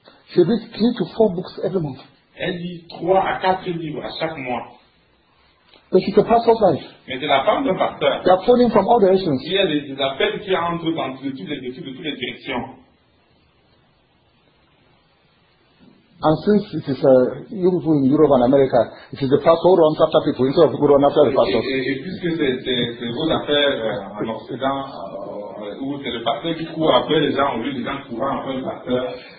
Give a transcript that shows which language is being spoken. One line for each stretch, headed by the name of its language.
English: She reads 3 to 4 books every month.
French: Elle lit 3 à 4 livres à chaque mois.
English: But she's a pastor's wife.
French: Mais c'est la femme d'un pasteur.
English: They are phoning from all directions.
French: Il y a des appels qui entrent dans toutes les directions.
English: And since it is you people in Europe and America, it is the pastor who runs after people instead of who runs after the pastor.
French: Et puisque c'est vos affaires en Occident, où c'est le pasteur qui court après les gens au lieu des gens courant après le pasteur.